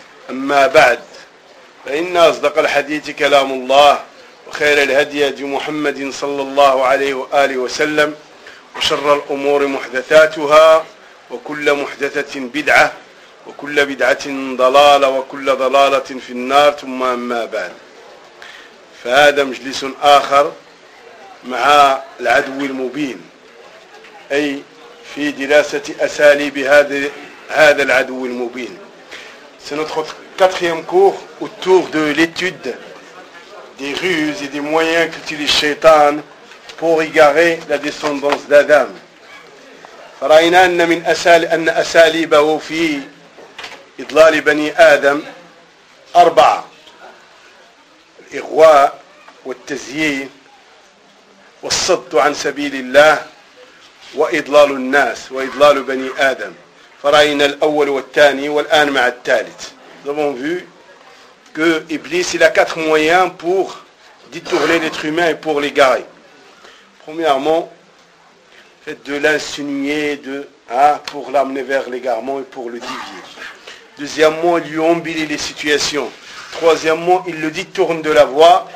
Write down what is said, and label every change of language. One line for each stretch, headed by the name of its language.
Arabic: أما بعد، فإن أصدق الحديث كلام الله، وخير الهدي هدي محمد صلى الله عليه وآله وسلم، وشر الأمور محدثاتها، وكل محدثة بدعة، وكل بدعة ضلالة، وكل ضلالة في النار. ثم أما بعد، فهذا مجلس آخر مع العدو المبين، أي في دراسة أساليب هذا العدو المبين. سندخل كاتخيام كور
French: autour de l'étude des ruses et des moyens qu'utilise الشيطان pour égarer la descendance d'Adam.
Arabic: فرأينا أن من أساليبه في إضلال بني آدم أربعة: الإغواء والتزيين والصد عن سبيل الله وإضلال الناس وإضلال بني آدم. فرأينا الأول والثاني والآن مع الثالث.
French: Nous avons vu que Iblis il a quatre moyens pour détourner l'être humain et pour l'égarer. Premièrement, fait de l'insinuer pour l'amener vers l'égarement et pour le divier. Deuxièmement, il lui embellit les situations. Troisièmement, il le détourne de la voie.